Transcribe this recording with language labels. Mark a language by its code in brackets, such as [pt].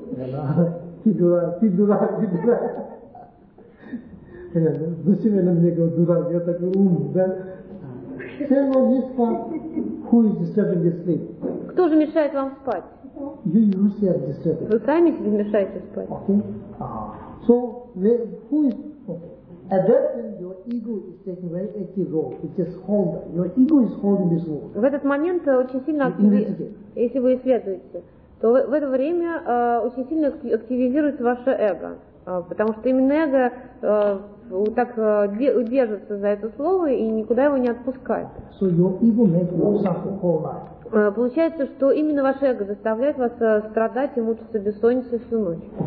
[ru] Зачем она мне говорит дурак, я такой умный, да? [en] Who is disturbing your sleep? [ru] Кто же мешает вам спать? [en] You yourself disturbing. [ru] Вы сами себе мешаете спать. [en] Okay. So, who is? Okay. At that point, your ego is taking a very active role. It just holds. Your ego is holding this role. [ru] В этот момент очень сильно активизируется. Если вы исследуете, то в это время очень сильно активизируется ваше эго, потому что именно эго так удерживается за это слово и никуда его не отпускает. [en] So your ego makes you suffer all night. [ru] Получается, что именно ваше эго заставляет вас страдать и мучиться бессонницей всю ночь.